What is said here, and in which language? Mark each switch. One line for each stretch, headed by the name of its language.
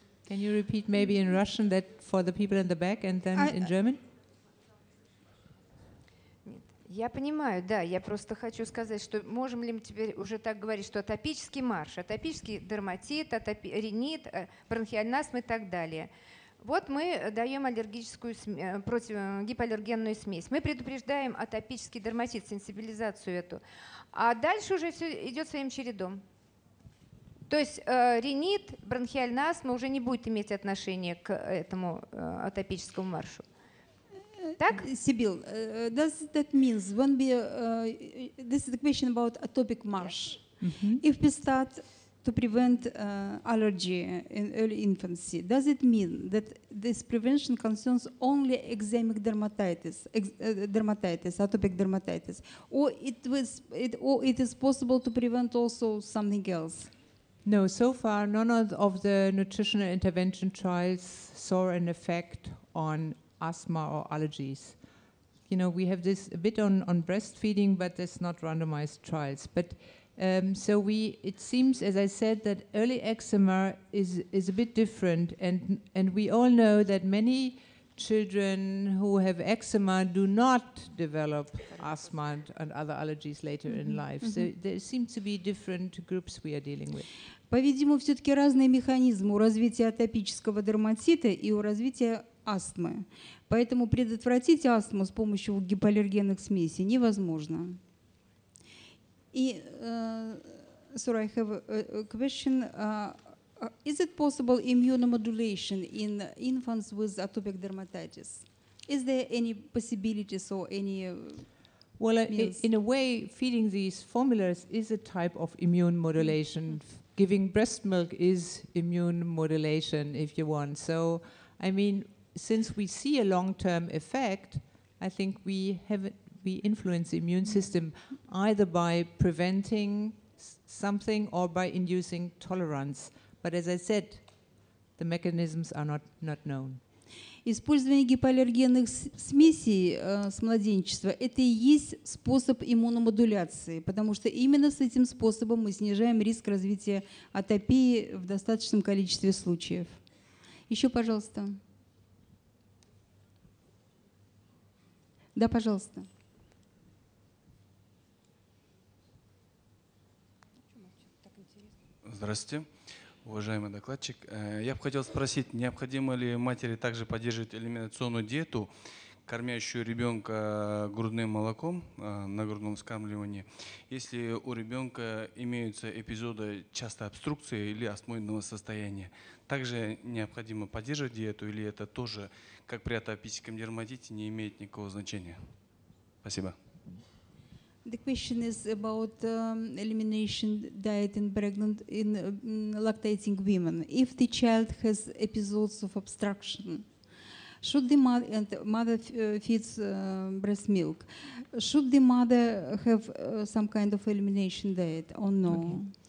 English: Can you repeat maybe in Russian that for the people in the back and then in German?
Russian: Я понимаю, да, я просто хочу сказать, что можем ли мы теперь уже так говорить, что атопический марш, атопический дерматит, ринит, бронхиальная астма и так далее. Вот мы даем аллергическую гипоаллергенную смесь. Мы предупреждаем атопический дерматит, сенсибилизацию эту. А дальше уже все идет своим чередом. То есть ринит, бронхиальная астма уже не будет иметь отношения к этому атопическому маршу. Так?
English: Сибил, does that mean when we this is the question about atopic marsh? Yes. Mm-hmm. If we start to prevent allergy in early infancy, does it mean that this prevention concerns only eczemic dermatitis, atopic dermatitis, or it is possible to prevent also something else? No, so far none of the nutritional intervention trials saw an effect on asthma or allergies. You know, we have this a bit on breastfeeding, but there's not randomized trials. But it seems, as I said, that early eczema is a bit different, and we all know that many children who have eczema do not develop asthma and other allergies later mm-hmm. in life. Mm-hmm. So there seem to be different groups we are dealing with.
Russian: По-видимому, все-таки разные механизмы у развития атопического дерматита и у развития астмы. Поэтому предотвратить астму с помощью гипоаллергенных смесей невозможно.
English: И, sorry, I have a question. Is it possible immunomodulation in infants with atopic dermatitis? Is there any possibilities or any... Well, in a way, feeding these formulas is a type of immune modulation. Giving breast milk is immune modulation, if you want. So, I mean, since we see a long-term effect, I think we influence the immune system either by preventing something or by inducing tolerance. But as I said, the mechanisms are not known.
Russian: Использование гипоаллергенных смесей с младенчества – это и есть способ иммуномодуляции, потому что именно с этим способом мы снижаем риск развития атопии в достаточном количестве случаев. Еще, пожалуйста. Да, пожалуйста. Здравствуйте. Уважаемый докладчик, я бы хотел спросить, необходимо ли матери также поддерживать элиминационную диету, кормящую ребенка грудным молоком на грудном вскармливании, если у ребенка имеются эпизоды частой обструкции или астмоидного состояния. Также необходимо поддерживать диету или это тоже, как при атопическом дерматите, не имеет никакого значения? Спасибо.
English: The question is about elimination diet in lactating women. If the child has episodes of obstruction, should the mother feeds breast milk? Should the mother have some kind of elimination diet or no?